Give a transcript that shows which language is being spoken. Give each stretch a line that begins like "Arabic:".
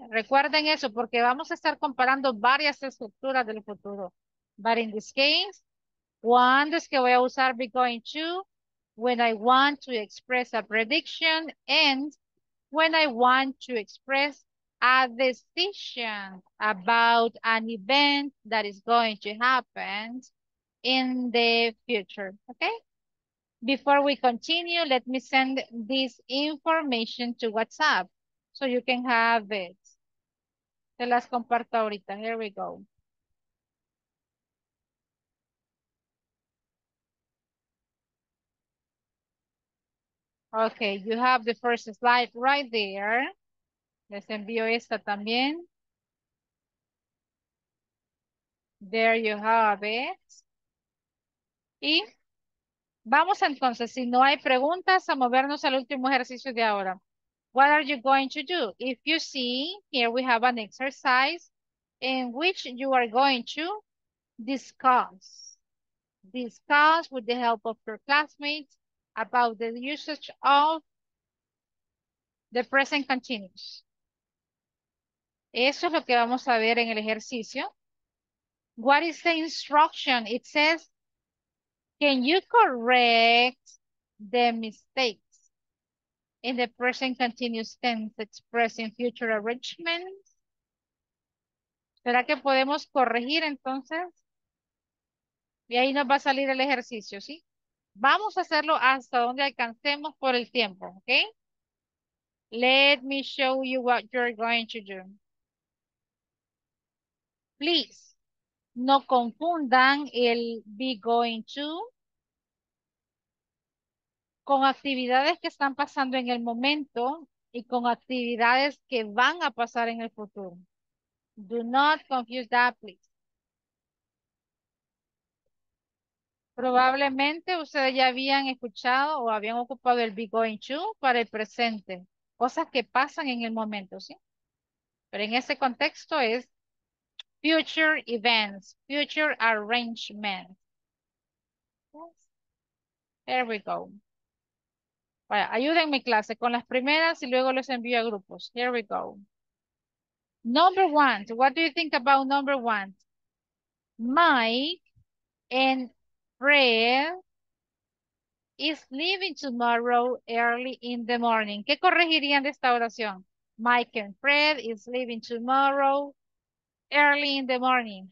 Spanish: Recuerden eso porque vamos a estar comparando varias estructuras del futuro.
English: But in this case,
Spanish: ¿cuándo es que voy a usar
English: be going to? When I want to express a prediction and when I want to express a decision about an event that is going to happen in the future, okay? Before we continue, let me send this information to WhatsApp so you can have it.
Spanish: Te las comparto ahorita,
English: here we go. Okay, you have the first slide right there.
Spanish: Les envío esta también.
English: There you have it.
Spanish: Y vamos entonces, si no hay preguntas, a movernos al último ejercicio de ahora.
English: What are you going to do? If you see, here we have an exercise in which you are going to discuss. Discuss with the help of your classmates about the usage of the present continuous.
Spanish: Eso es lo que vamos a ver en el ejercicio.
English: What is the instruction? It says, can you correct the mistakes in the present continuous tense expressing future arrangements?
Spanish: ¿Será que podemos corregir entonces? Y ahí nos va a salir el ejercicio, ¿sí? Vamos a hacerlo hasta donde alcancemos por el tiempo, ¿ok?
English: Let me show you what you're going to do.
Spanish: Please, no confundan el be going to con actividades que están pasando en el momento y con actividades que van a pasar en el futuro.
English: Do not confuse that, please.
Spanish: Probablemente ustedes ya habían escuchado o habían ocupado el be going to para el presente. Cosas que pasan en el momento, ¿sí? Pero en ese contexto es
English: future events, future arrangements. Yes. There we go.
Spanish: Bueno, ayúdenme clase con las primeras y luego los envío a grupos.
English: Here we go. Number one, what do you think about number one? Mike and Fred is leaving tomorrow early in the morning.
Spanish: ¿Qué corregirían de esta oración?
English: Mike and Fred is leaving tomorrow early in the morning.